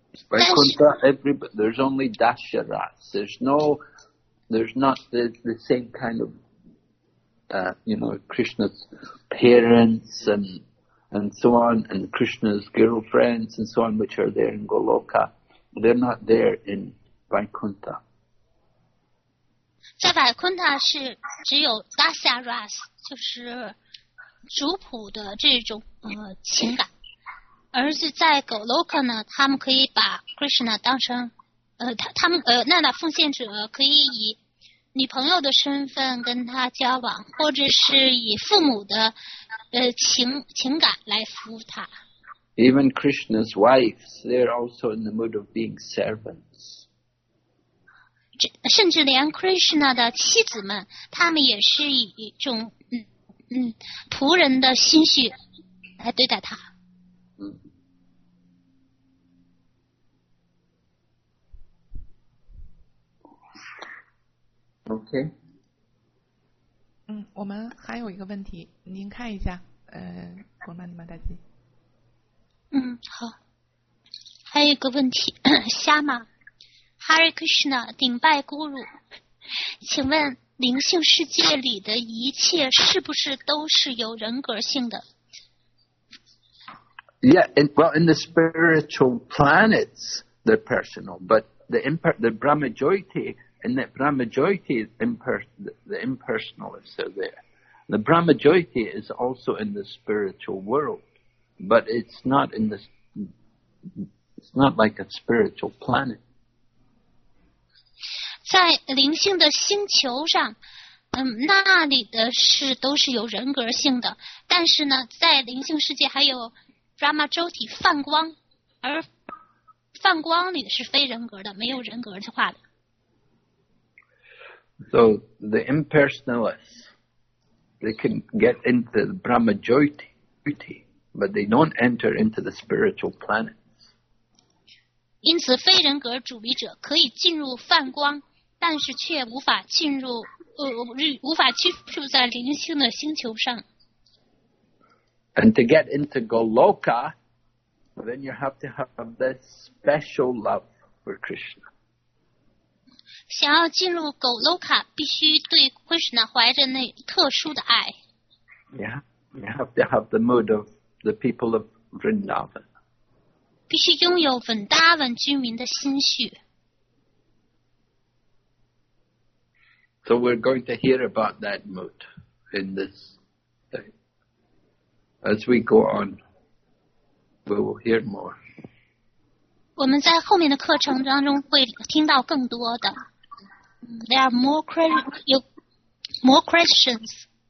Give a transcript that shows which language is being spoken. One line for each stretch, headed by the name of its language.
English: Vaikuntha, there's only Dasharas. There's not the same kind of, Krishna's parents and so on, and Krishna's girlfriends and so on, which are there in Goloka. They're not there in Vaikuntha.
Chinese: 在 Vaikuntha 是只有 Dasharas, 就是主仆的这种情感。而是在 Goloka 呢，他们可以把 Krishna 当成，他们那俩奉献者可以以女朋友的身份跟他交往，或者是以父母的情感来服务他。
English: Even Krishna's wives, they're also in the mood of being servants.
Chinese: 甚至连 Krishna 的妻子们，他们也是以一种仆人的心绪来对待他。
English: Okay.
Chinese: 我们还有一个问题，您看一下，古曼尼玛大吉。好。还有一个问题，瞎吗？哈瑞克什纳顶拜咕噜，请问灵性世界里的一切是不是都是有人格性的？
English: Yeah, in the spiritual planets, they're personal, but the Brahma Jyoti, in that Brahma Jyoti, the impersonal is still there. The Brahma Jyoti is also in the spiritual world, but it's not like a spiritual planet.
Chinese: 在灵性的星球上，那里的事都是有人格性的。但是呢，在灵性世界还有 Brahma Jyoti 泛光，而泛光里的是非人格的，没有人格化的。
English: So the impersonalists, they can get into the Brahma Jyoti, but they don't enter into the spiritual planet.
Chinese: 因此非人格主义者可以进入泛光，但是却无法进入无法居住在灵性的星球上。
English: And to get into Goloka, then you have to have this special love for Krishna.
Chinese: 想要进入 Goloka, 必须对 Krishna 怀着那特殊的爱。
English: Yeah, you have to have the mood of the people of Vrindavan.
Chinese: 必须拥有稳达稳居民的心绪。
English: So we're going to hear about that mood in this thing. As we go on, we will hear more.
Chinese: 我们在后面的课程当中会听到更多的。
English: There are more questions.